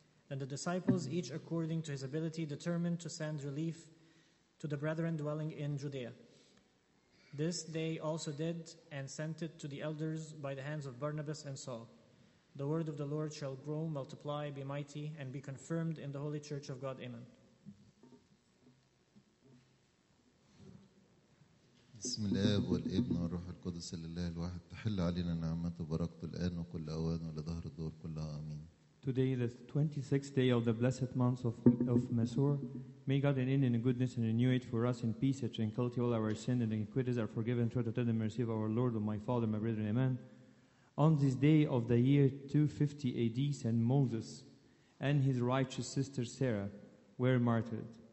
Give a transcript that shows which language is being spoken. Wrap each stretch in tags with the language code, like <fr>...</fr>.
<en>And the disciples, each according to his ability, determined to send relief to the brethren dwelling in Judea. This they also did, and sent it to the elders by the hands of Barnabas and Saul. The word of the Lord shall grow, multiply, be mighty, and be confirmed in the Holy Church of God. Amen.</en> <ar>بسم الله والابن والروح القدس لله الواحد تحل علينا نعمته وبركته الآن وكل أوان ولظهر الدور كلها آمين.</ar> <en>Today is the 26th day of the blessed month of Masur. May God in any goodness and renew it for us in peace and tranquility. All our sins and iniquities are forgiven through the tender mercy of our Lord, my Father, my brethren. Amen. On this day of the year 250 AD, Saint Moses and his righteous sister Sarah were martyred.</en>